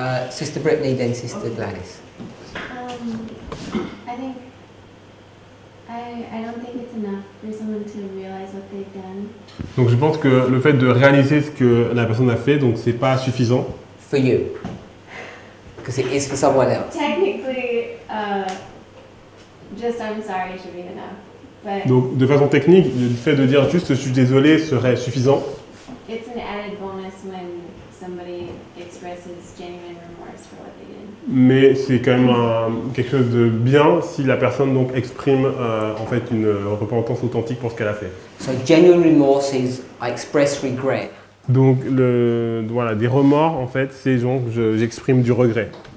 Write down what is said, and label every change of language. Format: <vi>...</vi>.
<en>Sister Brittany, then Sister Gladys.</en> <fr>Donc je pense que le fait de réaliser ce que la personne a fait, donc c'est pas suffisant.</fr> <en>For you, because it is for someone else. Technically, just I'm sorry should be enough. But</en> <fr>donc de façon technique, le fait de dire juste je suis désolé serait suffisant.</fr> <en>It's an added bonus when somebody expresses genuine remorse for what they did.</en> <fr>Mais c'est quand même quelque chose de bien si la personne donc exprime en fait une repentance authentique pour ce qu'elle a fait.</fr> <en>So genuine remorse is I express regret.</en> <fr>Donc des remords en fait, c'est genre j'exprime du regret.</fr>